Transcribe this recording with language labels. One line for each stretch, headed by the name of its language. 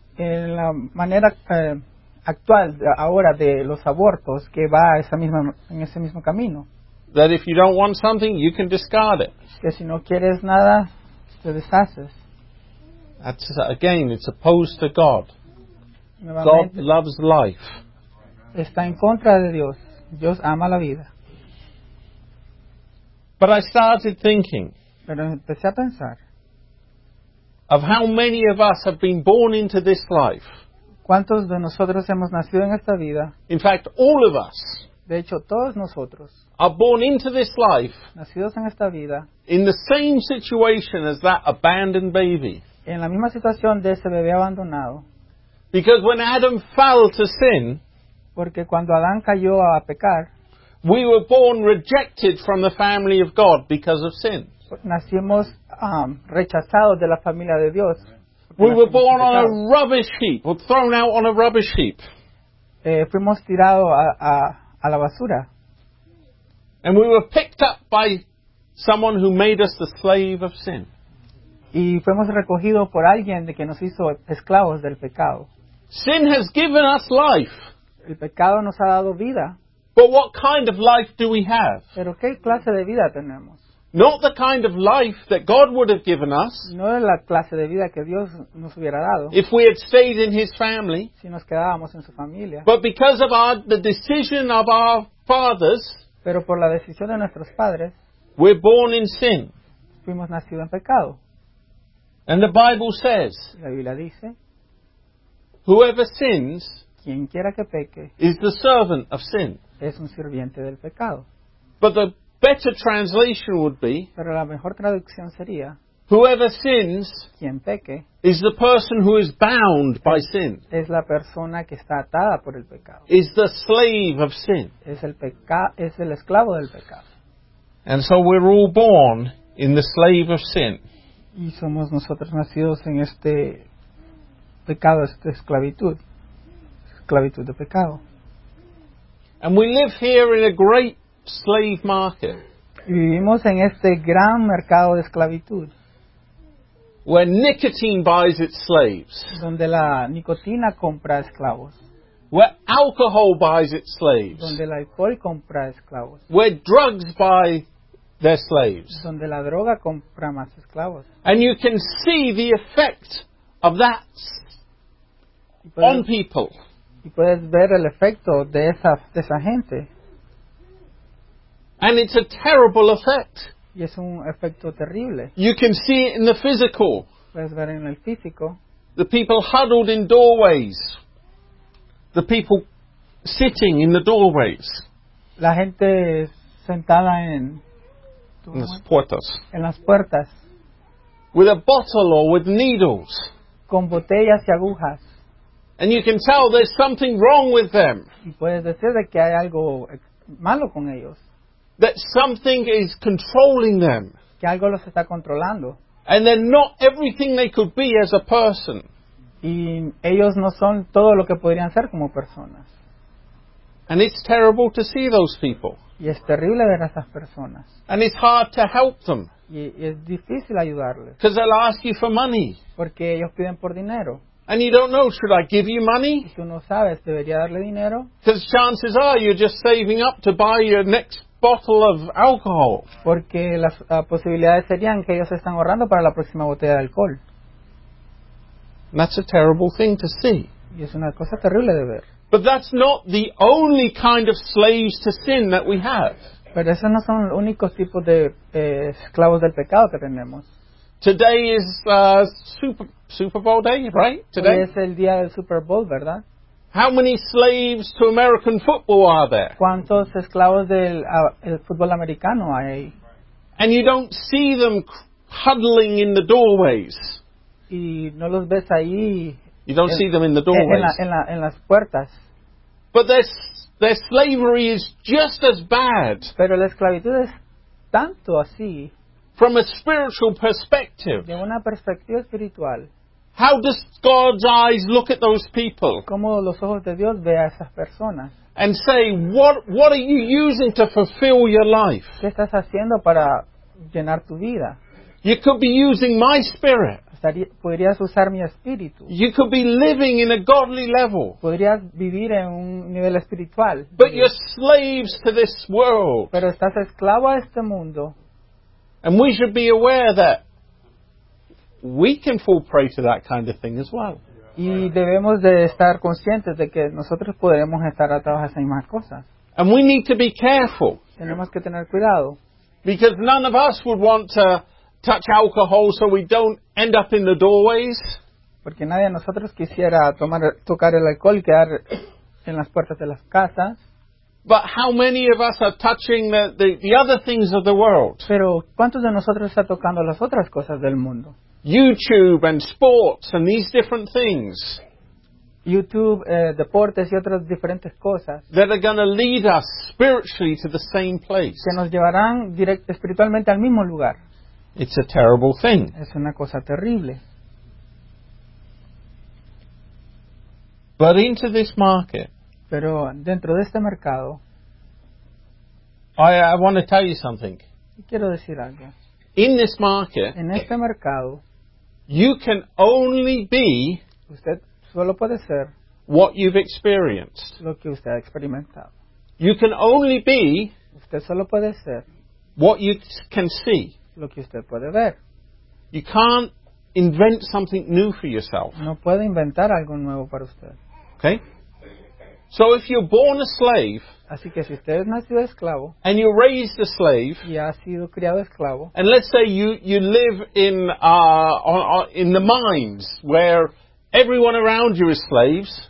Spanish: En la manera actual ahora de los abortos que va en ese mismo camino.
English: That if you don't want something, you can discard it.
Spanish: Que si no quieres nada, te deshaces.
English: That's, again, it's opposed to God.
Spanish: Nuevamente,
English: God loves life.
Spanish: Está en contra de Dios. Dios ama la vida.
English: But I started thinking.
Spanish: Pero empecé a pensar.
English: Of how many of us have been born into this life.
Spanish: ¿Cuántos de nosotros hemos nacido en esta vida?
English: In fact, all of us.
Spanish: De hecho, todos nosotros.
English: Are born into this life.
Spanish: Nacidos en esta vida.
English: In the same situation as that abandoned baby.
Spanish: En la misma situación de ese bebé abandonado.
English: Because when Adam fell to sin.
Spanish: Porque cuando Adán cayó a pecar.
English: We were born rejected from the family of God because of sin.
Spanish: Nacimos rechazados de la familia de Dios.
English: We were born on a rubbish heap, or thrown out on a rubbish heap.
Spanish: Fuimos tirados a la basura.
English: And we were picked up by someone who made us the slave of sin.
Spanish: Y fuimos recogidos por alguien de que nos hizo esclavos del pecado.
English: Sin has given us life.
Spanish: El pecado nos ha dado vida.
English: But what kind of life do we have?
Spanish: Pero qué clase de vida tenemos?
English: Not the kind of life that God would have given us.
Spanish: No es la clase de vida que Dios nos hubiera dado.
English: If we had stayed in His family.
Spanish: Si nos quedábamos en su familia.
English: But because of the decision of our fathers.
Spanish: Pero por la decisión de nuestros padres.
English: We're born in sin.
Spanish: Fuimos nacidos en pecado.
English: And the Bible says.
Spanish: La Biblia dice.
English: Whoever sins.
Spanish: Quien quiera que peque.
English: Is the servant of sin.
Spanish: Es un sirviente del pecado.
English: But the better translation would be.
Spanish: Pero la mejor traducción sería.
English: Whoever sins.
Spanish: Quien peque.
English: Is the person who is bound by sin.
Spanish: Es la persona que está atada por el pecado.
English: Is the slave of sin.
Spanish: Es el esclavo del pecado.
English: And so we're all born in the slave of sin.
Spanish: Y somos nosotros nacidos en este pecado, esta esclavitud. Esclavitud de pecado.
English: And we live here in a great slave market.
Spanish: Y vivimos en este gran mercado de esclavitud.
English: Where nicotine buys its slaves.
Spanish: Donde la nicotina compra esclavos.
English: Where alcohol buys its slaves.
Spanish: Donde el alcohol compra esclavos.
English: Where drugs buy their slaves.
Spanish: Donde la droga compra más esclavos.
English: And you can see the effect of that on people.
Spanish: Y puedes ver el efecto de esa gente.
English: And it's a terrible effect.
Spanish: Y es un efecto terrible.
English: You can see it in the physical.
Spanish: Puedes ver en el físico.
English: The people huddled in doorways. The people sitting in the doorways.
Spanish: La gente sentada en... En las puertas. En las puertas.
English: With a bottle or with needles.
Spanish: Con botellas y agujas.
English: And you can tell there's something wrong with them.
Spanish: Y puedes decir de que hay algo malo con ellos.
English: That something is controlling them.
Spanish: Que algo los está controlando.
English: And they're not everything they could be as a person.
Spanish: Y ellos no son todo lo que podrían ser como personas.
English: And it's terrible to see those people.
Spanish: Y es terrible ver a esas personas.
English: And it's hard to help them.
Spanish: Y es difícil ayudarles.
English: Because they'll ask you for money.
Spanish: Porque ellos piden por dinero.
English: And you don't know, should I give you money?
Spanish: Tú no sabes, ¿debería darle dinero?
English: Because chances are you're just saving up to buy your next bottle of alcohol.
Spanish: Porque las posibilidades serían que ellos están ahorrando para la próxima botella de alcohol.
English: And that's a terrible thing to see.
Spanish: Y es una cosa terrible de ver.
English: But that's not the only kind of slaves to sin that we have.
Spanish: Pero esos no son los únicos tipos de esclavos del pecado que tenemos.
English: Today is Super Bowl day, right? Today
Spanish: es el día del Super Bowl, ¿verdad?
English: How many slaves to American football are there?
Spanish: ¿Cuántos esclavos del el fútbol americano hay ahí?
English: And you don't see them huddling in the doorways.
Spanish: Y no los ves ahí.
English: You don't see them in the doorways.
Spanish: En las puertas.
English: But their slavery is just as bad.
Spanish: Pero la esclavitud es tanto así.
English: From a spiritual perspective.
Spanish: De una perspectiva espiritual.
English: How does God's eyes look at those people?
Spanish: ¿Cómo los ojos de Dios ve a esas personas?
English: And say, what are you using to fulfill your life?
Spanish: ¿Qué estás haciendo para llenar tu vida?
English: You could be using my spirit.
Spanish: Podrías usar mi espíritu.
English: You could be living in a godly level.
Spanish: Podrías vivir en un nivel espiritual.
English: But you're slaves to this world.
Spanish: Pero estás esclavo a este mundo.
English: And we should be aware that we can fall prey to that kind of thing as well.
Spanish: Y debemos de estar conscientes de que nosotros podemos estar atados a esas mismas cosas.
English: And we need to be careful.
Spanish: Tenemos que tener cuidado.
English: Because none of us would want to touch alcohol so we don't end up in the doorways.
Spanish: Porque nadie de nosotros quisiera tocar el alcohol y quedar en las puertas de las casas.
English: But how many of us are touching the other things of the world?
Spanish: Pero ¿cuántos de nosotros está tocando las otras cosas del mundo?
English: YouTube and sports and these different things.
Spanish: YouTube, deportes y otras diferentes cosas.
English: That are going to lead us spiritually to the same place.
Spanish: Que nos llevarán espiritualmente al mismo lugar.
English: It's a terrible thing.
Spanish: Es una cosa terrible.
English: But into this market.
Spanish: Pero dentro de este mercado.
English: I want to tell you something.
Spanish: Quiero decir algo.
English: In this market.
Spanish: En este mercado.
English: You can only be.
Spanish: Usted solo puede ser.
English: What you've experienced.
Spanish: Lo que usted ha experimentado.
English: You can only be.
Spanish: Usted solo puede ser.
English: What you can see.
Spanish: Lo que usted puede ver.
English: You can't invent something new for yourself.
Spanish: No puede inventar algo nuevo para usted.
English: Okay? So if you're born a slave,
Spanish: así que si usted es nacido esclavo,
English: and you're raised a slave,
Spanish: y ha sido criado esclavo,
English: and let's say you live in the mines where everyone around you is slaves,